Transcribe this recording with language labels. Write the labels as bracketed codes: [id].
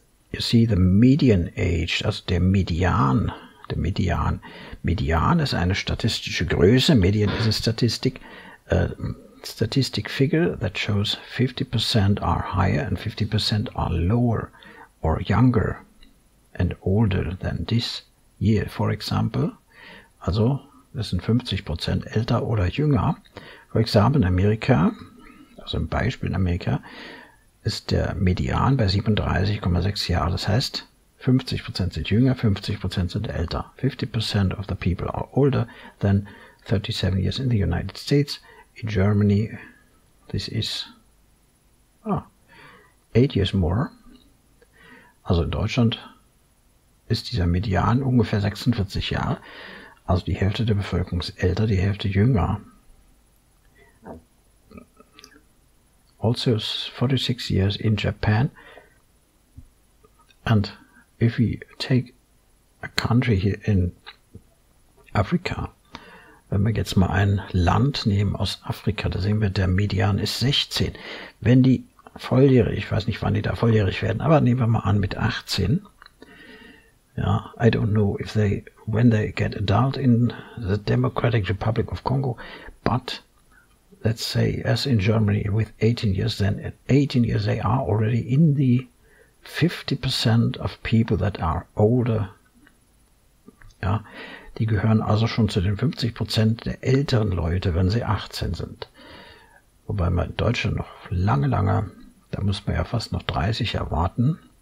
[en] You see the median age, [de] also der Median. Der Median. Median ist eine statistische Größe. Median ist eine Statistik. [en] Statistic figure that shows 50% are higher and 50% are lower or younger and older than this year. For example, [de] also das sind 50% älter oder jünger. [en] For example, [de] in Amerika, also im Beispiel in Amerika, ist der Median bei 37,6 Jahren. Das heißt, 50% sind jünger, 50% sind älter. [en] 50% of the people are older than 37 years in the United States. In Germany, this is 8 years more. [de] Also in Deutschland ist dieser Median ungefähr 46 Jahre. Also die Hälfte der Bevölkerung ist älter, die Hälfte jünger. [en] Also 46 years in Japan. And if we take a country here in Africa, [de] wenn wir jetzt mal ein Land nehmen aus Afrika, da sehen wir, der Median ist 16. Wenn die volljährig, ich weiß nicht, wann die da volljährig werden, aber nehmen wir mal an mit 18. [en] Ja, I don't know if they, when they get adult in the Democratic Republic of Congo, but let's say, as in Germany with 18 years, then at 18 years they are already in the 50% of people that are older. [de] Ja, die gehören also schon zu den 50% der älteren Leute, wenn sie 18 sind. Wobei man in Deutschland noch lange, lange, da muss man ja fast noch 30 erwarten.